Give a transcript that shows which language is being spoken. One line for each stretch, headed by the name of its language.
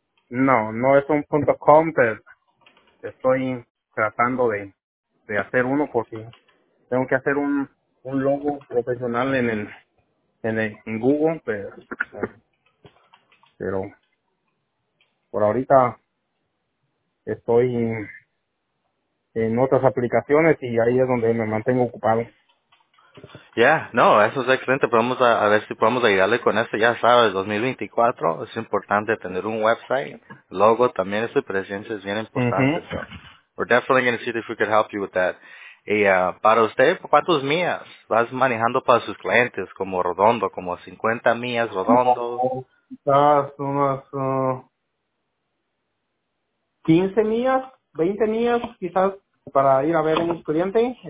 Spanish: No, no es un punto .com, pero estoy tratando de hacer uno porque tengo que hacer un logo profesional en Google, pero por ahorita estoy en otras aplicaciones y ahí es donde me mantengo ocupado. Yeah, no, eso es excelente. Podemos a ver si podemos ayudarle con esto. Ya sabes, 2024 es importante tener un website, logo también, su presencia es bien importante. Mm-hmm.
English: So, we're definitely going to see if we could help you with that.
Spanish: Y para usted, ¿cuántos millas vas manejando para sus clientes? Como redondo, como 50 millas redondo. Quizás unas 15 millas, 20 millas quizás para ir a ver a un cliente.